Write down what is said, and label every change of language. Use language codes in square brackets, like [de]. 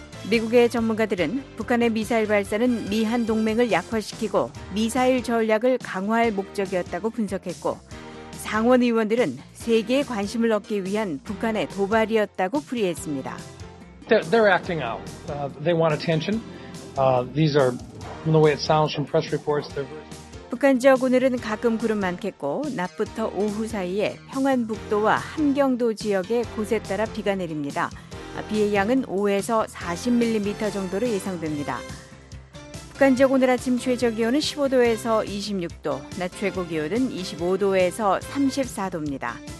[ko] 미국의 전문가들은 북한의 미사일 발사는 미한 동맹을 약화시키고 미사일 전략을 강화할 목적이었다고 분석했고 상원의원들은 세계의 관심을 얻기 위한 북한의 도발이었다고 풀이했습니다. [en] They're acting out. They want attention. These are from the way it sounds from press reports. [ko] 북한 지역 오늘은 가끔 구름 많겠고 낮부터 오후 사이에 평안북도와 함경도 지역에 곳에 따라 비가 내립니다. 비의 양은 5에서 40mm 정도로 예상됩니다. 북한 지역 오늘 아침 최저기온은 15도에서 26도, 낮 최고기온은 25도에서 34도입니다.